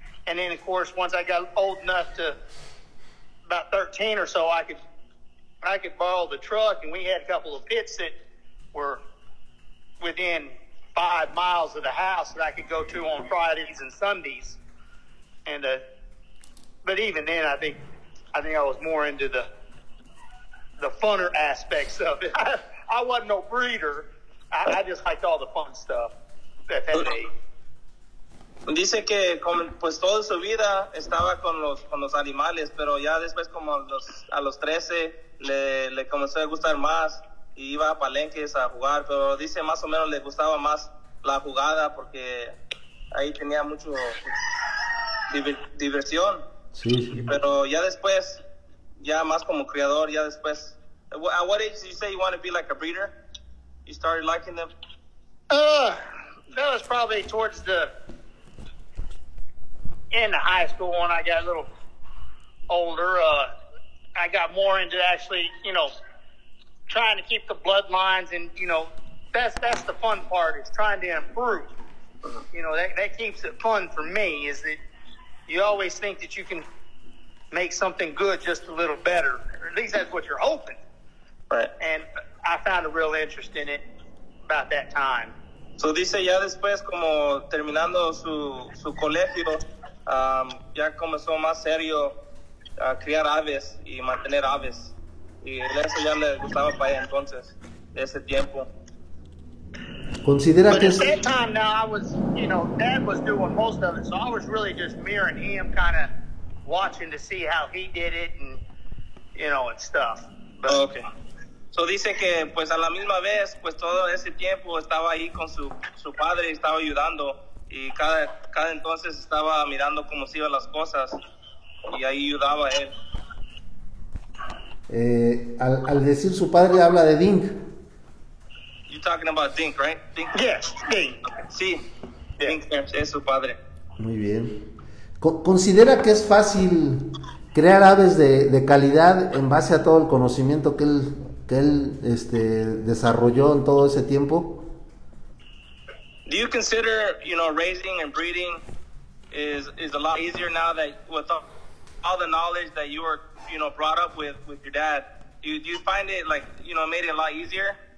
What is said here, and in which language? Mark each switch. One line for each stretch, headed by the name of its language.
English: And then, of course, once I got old enough to about 13 or so, I could borrow the truck, and we had a couple of pits that were within 5 miles of the house that I could go to on Fridays and Sundays. And but even then, I think I was more into the funner aspects of it. I wasn't no breeder. I just liked all the fun stuff that they made.
Spanish: Dice que pues toda su vida estaba con los animales, pero ya después como a los 13 le comenzó a gustar más y iba a palenques a jugar, pero dice más o menos le gustaba más la jugada porque ahí tenía mucho diversión. Sí, sí. Pero ya después, ya más como criador, ya después.
English: At what age did you say you want to be like a breeder? You started liking them? That was probably towards the end of high school when I got a little older. I got more into actually, you know, trying to keep the bloodlines, and you know, that's the fun part, is trying to improve. You know, that keeps it fun for me, is that you always think that you can make something good just a little better, or at least that's what you're hoping. Right. And I found a real interest in it about that time.
Spanish: So dice ya después, como terminando su colegio, ya comenzó más serio a criar aves y mantener aves. Y eso ya le gustaba para él entonces, ese tiempo. Considera
English: but
Spanish: que
English: at that time now I was, you know, Dad was doing most of it, so I was really just mirroring him, kind of watching to see how he did it and, you know, and stuff. But, okay.
Spanish: So dice que pues a la misma vez, pues todo ese tiempo estaba ahí con su padre, estaba ayudando, y cada entonces estaba mirando cómo se iban las cosas y ahí ayudaba a él. Al decir su padre, habla de Dink.
English: Talking about Dink, right? Dink. Yes, Dink.
Spanish: Okay. Sí, yeah. Dink es su padre. Muy bien. ¿Considera que es fácil crear aves de calidad en base a todo el conocimiento que él desarrolló en todo ese tiempo?
English: Do you consider, you know, raising and breeding is a lot easier now that with all the knowledge that you were, you know, brought up with your dad? Do you find it like, you know, made it a lot easier?